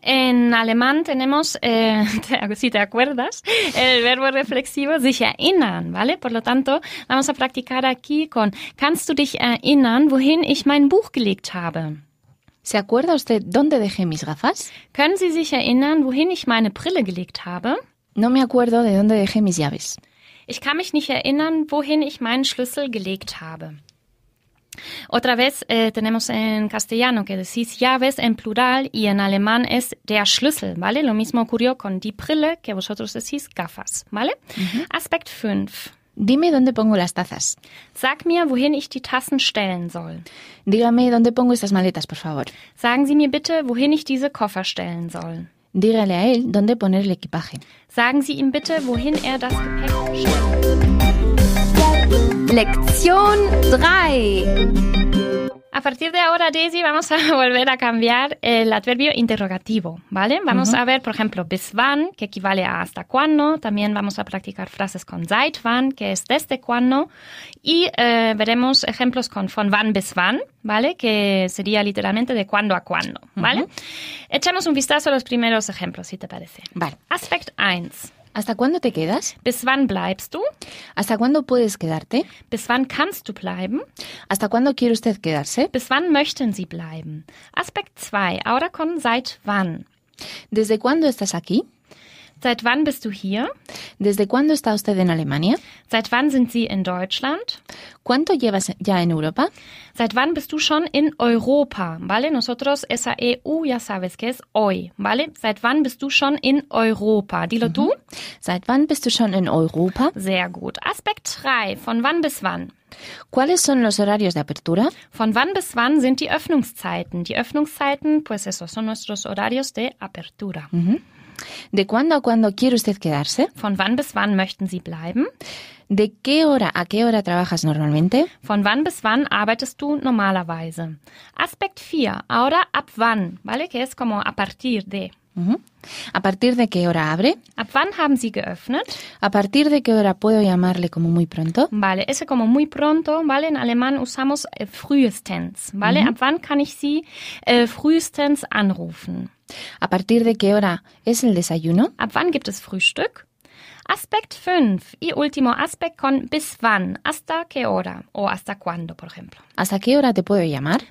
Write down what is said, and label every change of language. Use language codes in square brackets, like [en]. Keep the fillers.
[es] En alemán tenemos, eh, te, si te acuerdas, el verbo reflexivo sich erinnern, ¿vale? Por lo tanto, vamos a practicar aquí con [de] ¿Kannst du dich erinnern, wohin ich mein Buch gelegt habe? [es] ¿Se acuerda usted dónde dejé mis gafas? [de] ¿Können Sie sich erinnern, wohin ich meine Brille gelegt habe? [es] No me acuerdo de dónde dejé mis llaves. [de] Ich kann mich nicht erinnern, wohin ich meinen Schlüssel gelegt habe. [es] Otra vez eh, tenemos en castellano que decís llaves en plural y en alemán es der Schlüssel, ¿vale? Lo mismo ocurrió con die Brille, que vosotros decís gafas, ¿vale? Uh 5. -huh. Dime dónde pongo las tazas. [de] Sag mir, wohin ich die Tassen stellen soll. [es] Dígame dónde pongo estas maletas, por favor. [de] Sagen Sie mir bitte, wohin ich diese Koffer stellen soll. [es] Dígale a él dónde poner el equipaje. [de] Sagen Sie ihm bitte, wohin er das Gepäck stellen [es] Lección 3. A partir de ahora, Daisy, vamos a volver a cambiar el adverbio interrogativo, ¿vale? Vamos uh -huh. a ver, por ejemplo, bis wann, que equivale a hasta cuándo. También vamos a practicar frases con seit wann, que es desde cuándo. Y eh, veremos ejemplos con von wann bis wann, ¿vale? Que sería literalmente de cuándo a cuándo, ¿vale? echamos uh -huh. Echemos un vistazo a los primeros ejemplos, si ¿sí te parece. Vale. Aspect 1. ¿Hasta cuándo te quedas? [de] Bis wann bleibst du? [es] ¿Hasta cuándo puedes quedarte? [de] Bis wann kannst du bleiben? [es] ¿Hasta cuándo quiere usted quedarse? [de] Bis wann möchten Sie bleiben? [es] Aspekt 2. Ahora con seit wann? Desde cuándo estás aquí? [de] Seit wann bist du hier? [es] Desde cuándo está usted en Alemania? [de] Seit wann sind Sie in Deutschland? [es] Cuánto llevas ya en Europa? [de] Seit wann bist du schon in Europa? [es] Vale, nosotros esa EU ya sabes que es hoy. [de] Vale, seit wann bist du schon in Europa? Dilo mhm. Uh -huh. Seit wann bist du schon in Europa? Sehr gut. Aspekt 3. Von wann bis wann? [es] ¿Cuáles son los horarios de apertura? [de] Von wann bis wann sind die Öffnungszeiten? [es] Die Öffnungszeiten, pues esos son nuestros horarios de apertura. Mhm. Uh -huh. De cuando a cuando quiere usted quedarse? [de] Von wann bis wann möchten Sie bleiben? [es] De qué hora a qué hora trabajas normalmente? [de] Von wann bis wann arbeitest du normalerweise? [es] Aspekt 4. Ahora ab wann? Vale, que es como a partir de. Uh -huh. A partir de qué hora abre? [de] Ab wann haben Sie geöffnet? [es] A partir de qué hora puedo llamarle como muy pronto? Vale, ese como muy pronto, vale, en alemán usamos frühestens, vale? Uh -huh. [de] Ab wann kann ich Sie frühestens anrufen? [es] A partir de qué hora es el desayuno? [de] Ab wann gibt es Frühstück? Aspekt 5. [es] I último [de] aspect con bis wann? [es] Hasta qué hora? O hasta cuándo, por ejemplo. Hasta qué hora te puedo llamar?